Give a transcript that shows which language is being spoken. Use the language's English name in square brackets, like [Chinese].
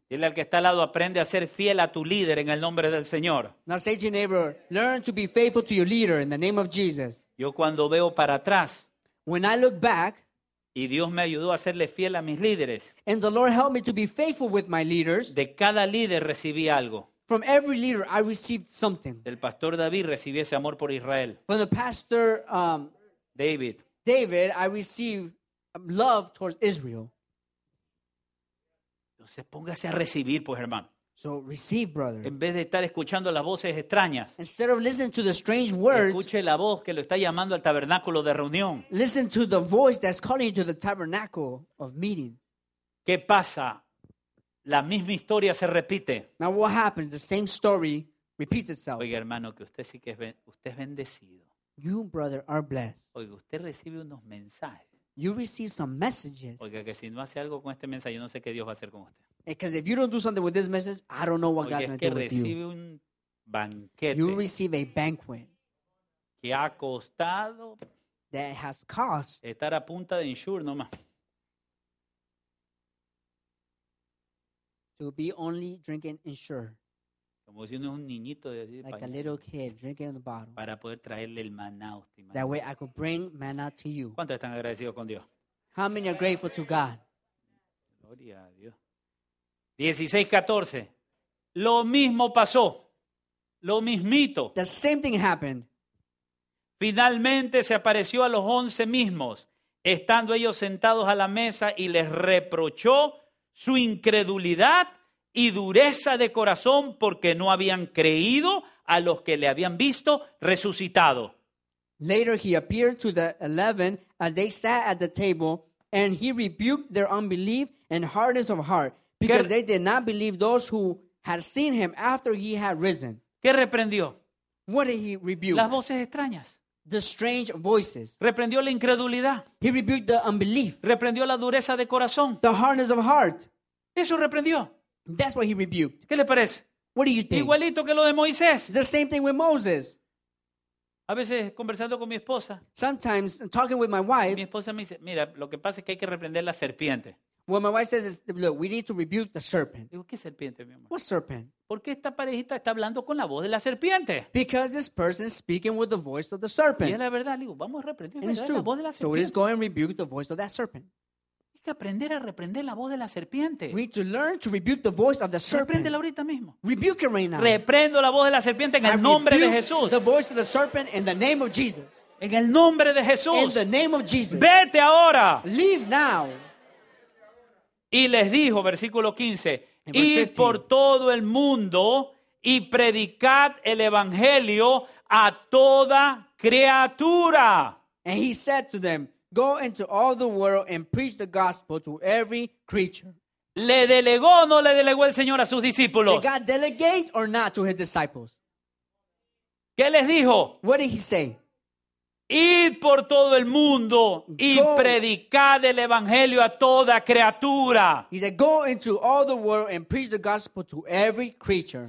[Spanish] Dile al que está al lado, aprende a ser fiel a tu líder en el nombre del Señor. [English] Now say to your neighbor, learn to be faithful to your leader in the name of Jesus. [Spanish] Yo cuando veo para atrás, [English] when I look back, [Spanish] y Dios me ayudó a serle fiel a mis líderes. [English] And the Lord helped me to be faithful with my leaders. [Spanish] De cada líder recibí algo. [English] From every leader, I received something. [Spanish] Del pastor David recibí ese amor por Israel. [English] From the pastor David, I received love towards Israel. [Spanish] Entonces póngase a recibir, pues, hermano. [English] So receive, brother. [Spanish] En vez de estar escuchando las voces extrañas, [English] instead of listening to the strange words, [Spanish] escuche la voz que lo está llamando al tabernáculo de reunión. [English] Listen to the voice that's calling you to the tabernacle of meeting. [Spanish] ¿Qué pasa? La misma historia se repite. [English] Now what happens? The same story repeats itself. [Spanish] Oiga, hermano, que usted sí que es usted es bendecido. [English] You, brother, are blessed. [Spanish] Oiga, usted recibe unos mensajes. [English] You receive some messages. [Spanish] Oiga, que si no hace algo con este mensaje, yo no sé qué Dios va a hacer con usted. [English] Because if you don't do something with this message, I don't know what God's going to do with you. [Spanish] Oiga, es que recibe un banquete. [English] You receive a banquet. [Spanish] Que ha costado. [English] That has cost. [Spanish] Estar a punta de insur, no más. [English] To be only drinking in sure. [Spanish] Como si uno es un niñito de [English] like pañal. A little kid drinking in the bottle. [Spanish] Para poder traerle el maná a usted. [English] That way I could bring maná to you. [Spanish] ¿Cuántos están agradecidos con Dios? [English] How many are grateful to God? [Spanish] Gloria a Dios. 16:14. Lo mismo pasó. Lo mismito. [English] The same thing happened. [Spanish] Finalmente se apareció a los 11 mismos, estando ellos sentados a la mesa y les reprochó su incredulidad y dureza de corazón porque no habían creído a los que le habían visto resucitado. [English] Later he appeared to the 11 as they sat at the table and he rebuked their unbelief and hardness of heart because they did not believe those who had seen him after he had risen. [Spanish] ¿Qué reprendió? [English] What did he rebuke? [Spanish] Las voces extrañas. [English] The strange voices. [Spanish] Reprendió la incredulidad. [English] He rebuked the unbelief. [Spanish] Reprendió la dureza de corazón. [English] The hardness of heart. [Spanish] Eso reprendió. [English] That's what he rebuked. [Spanish] ¿Qué le parece? [English] What do you think? [Spanish] Igualito que lo de Moisés. [English] The same thing with Moses. [Spanish] A veces conversando con mi esposa. [English] Sometimes talking with my wife. [Spanish] Mi esposa me dice, mira, lo que pasa es que hay que reprender la serpiente. [English] What my wife says is, look, we need to rebuke the serpent. [Spanish] Digo, ¿qué serpiente, mi amor? [English] What serpent? [Spanish] ¿Por qué esta parejita está hablando con la voz de la serpiente? [English] Because this person is speaking with the voice of the serpent. [Spanish] Y es la verdad, digo, vamos a reprender la voz de la serpiente. [English] So let's go and rebuke the voice of that serpent. [Spanish] Hay que aprender a reprender la voz de la serpiente. [English] We need to learn to rebuke the voice of the serpent. [Spanish] Repréndela ahorita mismo. [English] Rebuke it right now. [Spanish] Reprendo la voz de la serpiente en el nombre de Jesús. [English] The voice of the serpent in the name of Jesus. [Spanish] En el nombre de Jesús. [English] In the name of Jesus. [Spanish] Vete ahora. [English] Leave now. [Spanish] Y les dijo, versículo 15, id por todo el mundo y predicad el evangelio a toda criatura. [English] And he said to them, go into all the world and preach the gospel to every creature. [Spanish] ¿Le delegó o no le delegó el Señor a sus discípulos? [English] Did God delegate or not to his disciples? [Spanish] ¿Qué les dijo? [English] What did he say? [Spanish] Id por todo el mundo y [English] go. [Spanish] Predicad el evangelio a toda criatura. [English] He said, go into all the world and preach the gospel to every creature.